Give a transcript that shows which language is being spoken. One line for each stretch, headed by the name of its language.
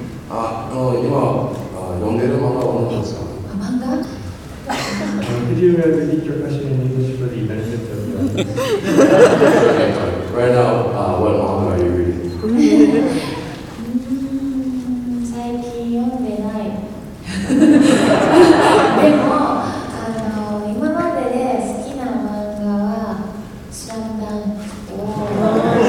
Japanese: あ、もう今読んでる漫画は何ですか？漫画？
English: Could you read your question in English for the benefit of the audience? Right now, what manga are you reading?
Japanese: 最近読んでない。でも今までで好きな漫画はスラムダンク。